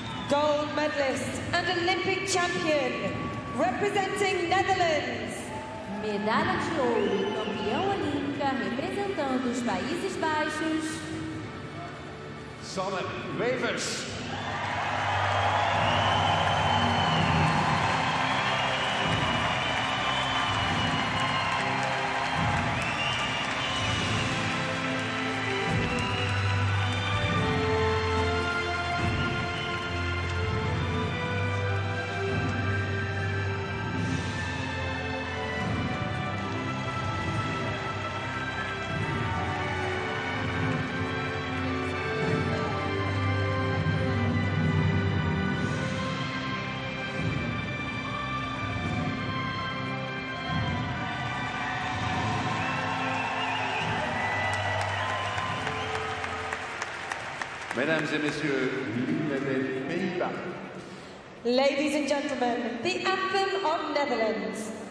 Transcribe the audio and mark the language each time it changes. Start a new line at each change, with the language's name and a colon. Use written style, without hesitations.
English: Gold medalist and Olympic champion representing Netherlands.
Portuguese: Medalha de ouro, campeão olímpica representando os Países Baixos.
English: Solomon Wavers.
French: Mesdames et messieurs, l'hymne des Pays-Bas.
English: Ladies and gentlemen, the anthem of Netherlands.